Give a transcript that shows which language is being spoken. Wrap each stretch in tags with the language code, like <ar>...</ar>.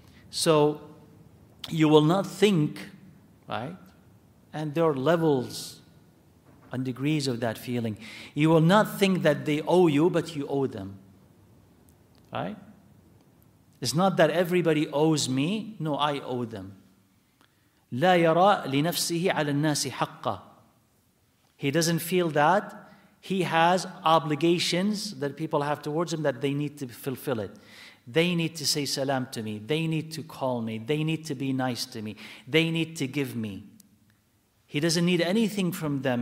<en>So you will not think, right? And there are levels and degrees of that feeling. You will not think that they owe you, but you owe them, right? It's not that everybody owes me. No, I owe them.</en> <ar>لا يرى لنفسه على الناس حقا.</ar> <en>He doesn't feel that he has obligations that people have towards him that they need to fulfill it. They need to say salam to me. They need to call me. They need to be nice to me. They need to give me. He doesn't need anything from them.</en>